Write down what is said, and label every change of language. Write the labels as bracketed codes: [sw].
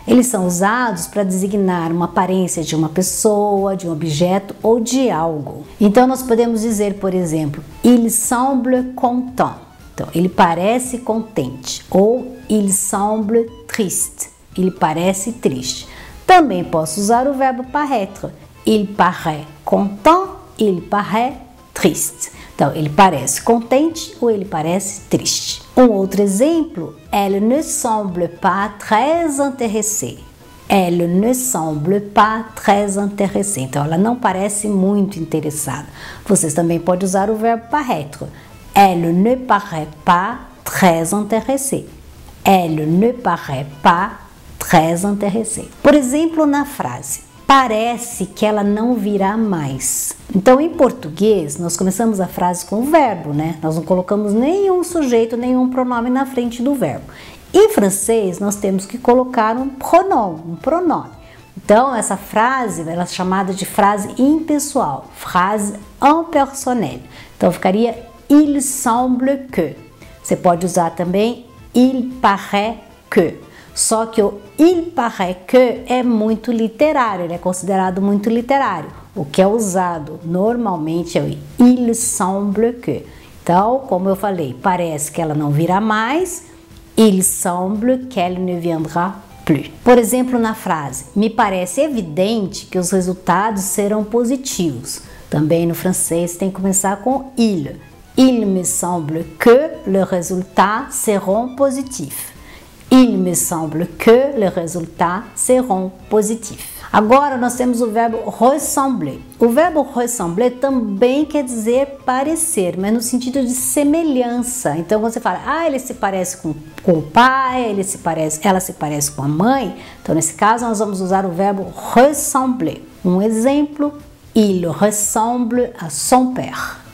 [pt] Eles são usados para designar uma aparência de uma pessoa, de um objeto ou de algo. Então nós podemos dizer, por exemplo, [fr] il semble content. [pt] Então, ele parece contente. Ou [fr] il semble triste. [pt] Ele parece triste. Também posso usar o verbo paraître. [fr] Il paraît content, il paraît triste. [pt] Então, ele parece contente ou ele parece triste. Um outro exemplo, [fr] elle ne semble pas très intéressée. Elle ne semble pas très intéressée. [pt] Então, ela não parece muito interessada. Vocês também podem usar o verbo paraître. [fr] Elle ne paraît pas très intéressée. Elle ne paraît pas très intéressée. [pt] Por exemplo, na frase, parece que ela não virá mais. Então, em português, nós começamos a frase com o verbo, né? Nós não colocamos nenhum sujeito, nenhum pronome na frente do verbo. Em francês, nós temos que colocar um pronome. Então, essa frase, ela é chamada de frase impessoal, frase impersonnelle. Então, ficaria [fr] il semble que. [pt] Você pode usar também [fr] il paraît que. [pt] Só que o [fr] il paraît que [pt] é muito literário, ele é considerado muito literário. O que é usado normalmente é o [fr] il semble que. [pt] Então, como eu falei, parece que ela não virá mais. [fr] Il semble qu'elle ne viendra plus. [pt] Por exemplo, na frase, me parece evidente que os resultados serão positivos. Também no francês tem que começar com il. [fr] Il me semble que les résultats seront positifs. Il me semble que les résultats seront positifs. [pt] Agora nós temos o verbo ressembler. O verbo ressembler também quer dizer parecer, mas no sentido de semelhança. Então você fala, ah, ele se parece com o pai, ele se parece, ela se parece com a mãe. Então nesse caso nós vamos usar o verbo ressembler. Um exemplo, [fr] il ressemble à son père.